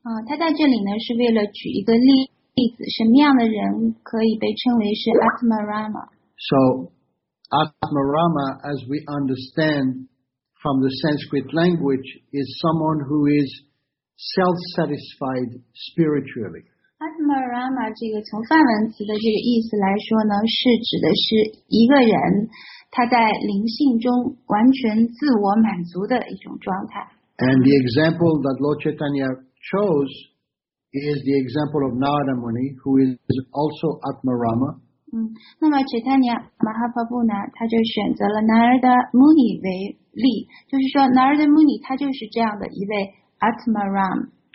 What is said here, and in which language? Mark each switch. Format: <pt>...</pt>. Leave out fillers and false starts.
<zh>他在这里呢是为了举一个例子，什么样的人可以被称为是 Atmarama?</zh> <en>So, Atmarama, as we understand from the Sanskrit language, is someone who is self-satisfied spiritually.</en> <zh>Atmarama 这个从梵文词的这个意思来说呢，是指的是一个人他在灵性中完全自我满足的一种状态。</zh> <en>And the example that Lord Chaitanya chose is the example of Narada Muni, who is also Atmarama.</en> <zh>那么 Chaitanya Mahaprabhu 呢，他就选择了 Narada Muni 为例，就是说 Narada Muni 他就是这样的一位 Atmarama,</zh>